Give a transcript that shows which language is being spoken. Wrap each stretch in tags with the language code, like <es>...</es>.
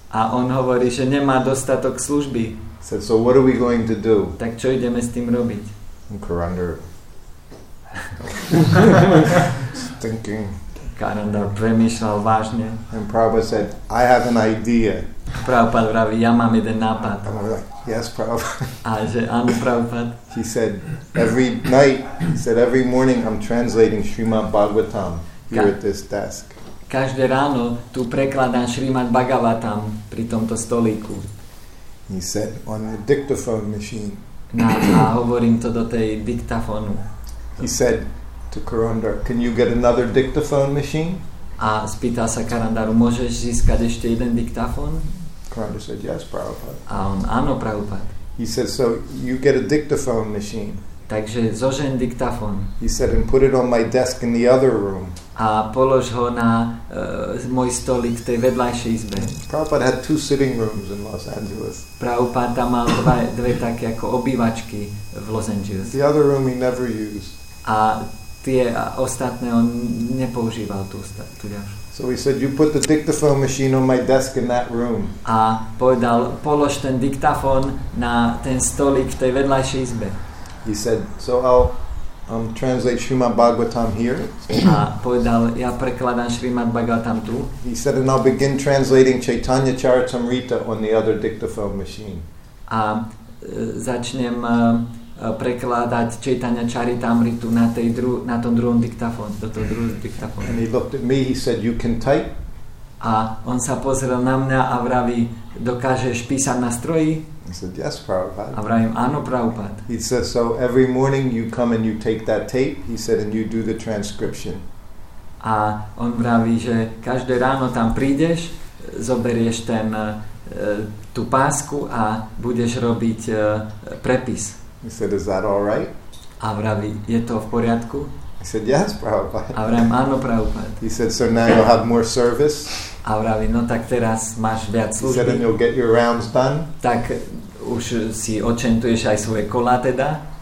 <sk>A on hovorí, že nemá dostatok služby.</sk> <en>He said, so what are we going to do?</en> <sk>Tak čo ideme s tým robiť?</sk> <en>And Karandar thinking.</en> <sk>Karandar premýšľal vážne.</sk> <en>And Prabhupada said, I have an idea.</en> <sk>Prabhupada vraví, ja mám jeden nápad.</sk> <en>And I'm like, yes, Prabhupada.</en> <sk>A že áno, Prabhupada.</sk> <en>He said, every morning I'm translating Srimad Bhagavatam. Here at this desk.</en> <sk>Každé ráno tu prekladám Srimad Bhagavatam pri tomto stolíku.</sk> <en>He said on the dictaphone machine.</en> <sk>No, hovorím to do tej diktafónu.</sk> <en>He said to Karandar, can you get another dictaphone machine?</en> <sk>A spýtal sa Karandaru, môžeš získať ešte jeden diktafón?</sk> <en>Karandar said, yes, Prabhupada.</en> <sk>A on, áno, Prabhupada.</sk> <en>He said, so you get a dictaphone machine.</en> <sk>Takže zožeň diktafon.</sk> <en>He said, and put it on my desk in the other room.</en> <sk>A polož ho na môj stolik v tej vedľajšej izbe.</sk> <en>Prabhupada had two sitting rooms in Los Angeles.</en> <sk>Prabhupada mal dve také ako obývačky v Los Angeles.</sk> <en>The other room he never used.</en> <sk>A tie ostatné on nepoužíval tú ďalšiu.</sk> <en>So he said, you put the dictaphone machine on my desk in that room.</en> <sk>A povedal, polož ten diktafon na ten stolik v tej vedľajšej izbe.</sk> <en>He said, so I'll translate Srimad Bhagavatam here.</en> <sk>A povedal, ja prekladám Srimad Bhagavatam tu.</sk> <en>He said, and I'll begin translating Chaitanya Charitamrita on the other dictaphone machine.</en> <sk>A začnem prekladať Chaitanya Charitamritu na tej na tom druhom diktafóne, do toho druhého diktafónu.</sk> <en>And he looked at me, he said, you can type.</en> <sk>A on sa pozrel na mňa a vraví, dokážeš písať na stroji?</sk> <en>I said, yes, Prabhupada.</en> <sk>A vravím, áno, Prabhupada.</sk> <en>He said, so every morning you come and you take that tape, he said, and you do the transcription.</en> <sk>A on vraví, že každé ráno tam prídeš, zoberieš ten tú pásku a budeš robiť prepis.</sk> <en>He said, is that all right?</en> <sk>A vraví, je to v poriadku?</sk> <en>I said, yes, Prabhupada.</en> <sk>A vravím, áno, Prabhupada.</sk> <en>He said, so now you'll have more service.</en> <sk>A vraví, no tak teraz máš viac služby.</sk> <en>He said, and you'll get your rounds done.</en> <sk>Tak už si očentuješ aj svoje kola teda.</sk>